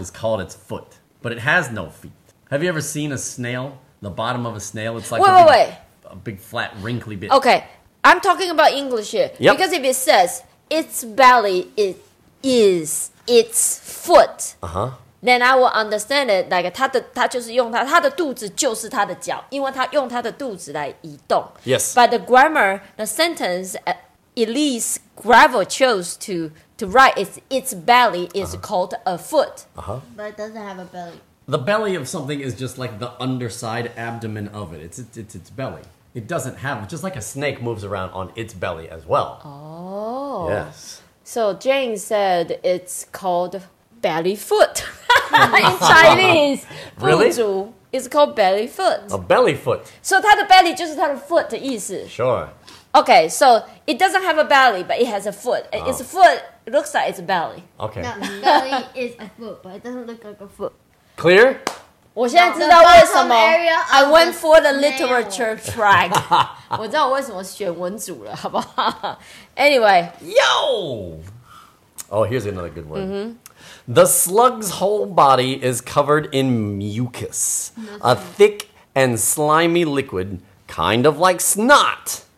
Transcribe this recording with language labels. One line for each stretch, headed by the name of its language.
English: is called its foot, but it has no feet. Have you ever seen a snail? The bottom of a snail, it's like wait. A big flat wrinkly bit. Okay, I'm talking about English here、 yep. because if it says its belly, it is its foot. Uh-huh. Then I will understand it.
Chinese: Like, 他就是用他的肚子就是他的脚，因为他用他的肚子来移动。
English: Yes. But the grammar, the sentence, Elise Gravel chose to write its belly is、uh-huh. called a foot. Uh-huh. But it doesn't have a belly. The belly of something is just like the underside abdomen of it. It's its belly. It doesn't have, just like a snake moves around on its belly as well. Oh. Yes. So Jane said it's called belly foot. In Chinese, 腹、really? 足 is called belly foot. A belly foot.
Chinese: So 它的 belly 就是它的 foot 的意思。
English: Sure. Okay, so it doesn't have a belly, but it has a foot.、Oh. Its foot looks like its belly. Okay. No, belly is a foot, but it doesn't look like a foot. Clear?
Chinese: 我现在知道为什么
English: I went for the literature track.
Chinese: 我知道为什么选文组了，好不好？
English: Anyway. Yo! Oh, here's another good one. Mm-hmm. The slug's whole body is covered in mucus, a thick and slimy liquid, kind of like snot.